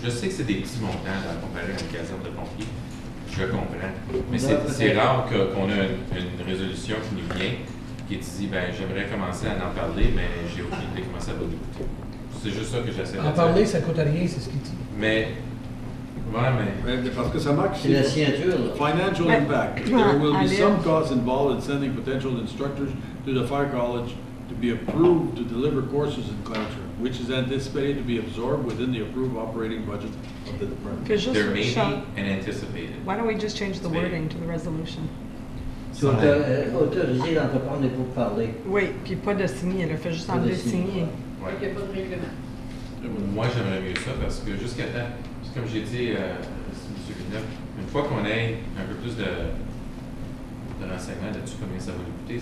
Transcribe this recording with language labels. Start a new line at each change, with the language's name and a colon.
French: Je sais que c'est des petits montants à comparer à une caserne de pompiers. Je comprends. Mais c'est rare qu'on ait une résolution qui nous vient, qui te dit ben j'aimerais commencer à en parler, mais j'ai aucune idée comment ça va nous coûter. C'est juste ça que j'essaie de dire. En parler, ça ne coûte rien, c'est ce qu'il dit. Mais. Ouais, mais. Parce que ça marche. C'est la signature.
English: Financial impact. There will be some costs involved in sending potential instructors to the fire college to be approved to deliver courses in classroom, which is anticipated to be absorbed within the approved operating budget of the department. There may be an anticipated. Why don't we just change the wording to the resolution?
French: So, autorisé d'entreprendre pour parler. Oui, puis pas de signer, le fait juste en deux signer. Ouais. Moi, j'aimerais mieux ça parce que jusqu'à temps, comme j'ai dit, M. Villeneuve, une fois qu'on ait un peu plus de renseignement là-dessus, combien ça va nous coûter.